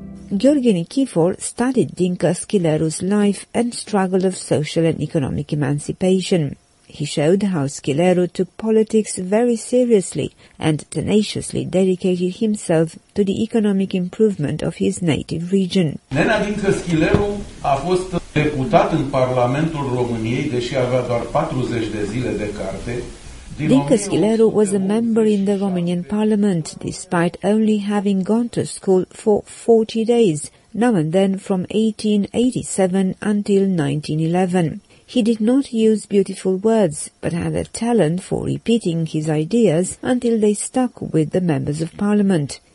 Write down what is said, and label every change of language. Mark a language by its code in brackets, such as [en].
[en] Gheorghe Nichifor studied Dinca Schileru's life and struggle of social and economic emancipation. He showed how Schileru took politics very seriously and tenaciously dedicated himself to the economic improvement of his native region. [ro] Nena Dinca Schileru a fost deputat în Parlamentul României, deși avea doar 40 de zile de carte. [en] Dinca Schileru was a member in the Romanian parliament, despite only having gone to school for 40 days, now and then from 1887 until 1911. He did not use beautiful words, but had a talent for repeating his ideas until they stuck with the members of parliament.